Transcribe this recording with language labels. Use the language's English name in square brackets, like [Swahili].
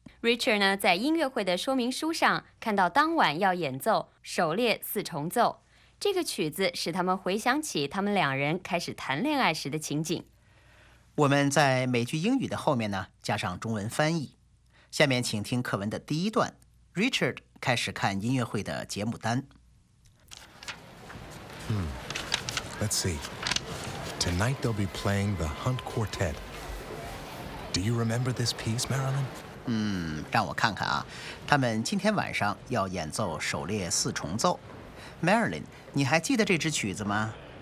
[Chinese] Richard 呢，在音乐会的说明书上看到当晚要演奏首列四重奏，这个曲子使他们回想起他们两人开始谈恋爱时的情景。我们在每句英语的后面呢，加上中文翻译。下面请听课文的第一段 ，Richard 开始看音乐会的节目单。 [English] Let's see. Tonight they'll be playing the Hunt Quartet. Do you remember this piece, Marilyn? [Chinese] 让我看看啊，他们今天晚上要演奏首列四重奏。 Marilyn, 你还记得这支曲子吗？